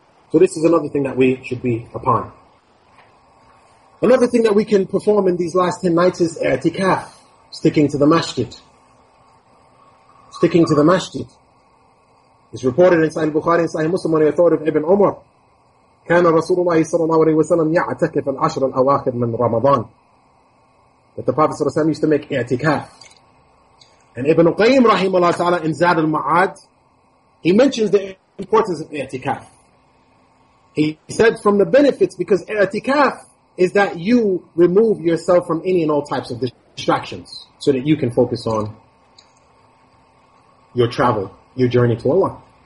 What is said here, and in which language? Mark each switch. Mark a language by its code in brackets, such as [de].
[en] So this is another thing that we should be upon. Another thing that we can perform in these last 10 nights is i'tikaf, sticking to the masjid. Sticking to the masjid. It's reported in Sahih Bukhari and Sahih Muslim on the authority of Ibn Umar. [ar] كان رسول الله صلى الله عليه وسلم يعتكف العشر الأواخر من رمضان. [en] That the Prophet صلى الله عليه وسلم used to make i'tikaf. And Ibn Qayyim رحمه الله تعالى in Zad al-Ma'ad, he mentions the importance of i'tikaf. He said from the benefits, because i'tikaf is that you remove yourself from any and all types of distractions so that you can focus on your travel, your journey to Allah.